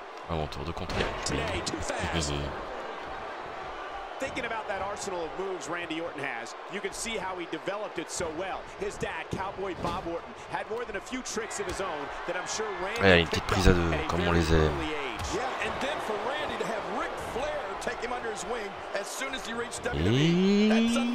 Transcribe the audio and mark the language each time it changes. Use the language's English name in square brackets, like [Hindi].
[French] À mon tour de contrer. [English] Thinking about that arsenal of moves Randy Orton has, you can see how he developed it so well. His dad, Cowboy Bob Orton, had more than a few tricks of his own that I'm sure Randy. [French] Ouais, une petite prise à deux, comme on les aime. [English] Yeah, and then for Randy to have Ric Flair take him under his wing as soon as he reached WWE.